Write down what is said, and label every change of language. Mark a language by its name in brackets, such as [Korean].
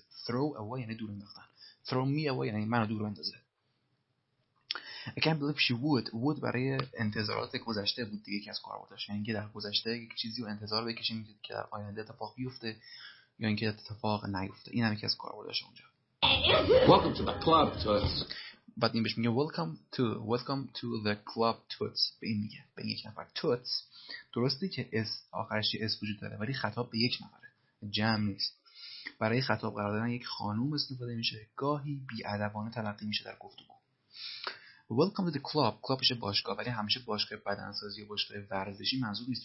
[Persian] throw away یعنی دور انداختن. throw me away یعنی منو دور بندازه. I can't believe she would برای انتظارات گذشته بود دیگه که از کار بوداش، یعنی که در گذشته یک چیزی رو انتظار بکشیم که در آینده اتفاق بیفته یا یعنی اینکه اتفاق نیفته. اینم یکی از کار بوداش اونجا. [English] Welcome to the club, toots. [Persian] بعد این بهش میگه welcome to the club, toots. به این میگه، به یک نفر toots. درسته که اس آخرش اس وجود داره ولی خطاب به یک نفره، جمع نیست. برای خطاب قرار دادن یک خانوم استفاده میشه. گاهی بی ادبانه تلقی میشه در گفتگو. [English] Welcome to the club. [Persian] club میشه باشگاه، ولی همیشه باشگاه بدنسازی یا باشگاه ورزشی منظور نیست.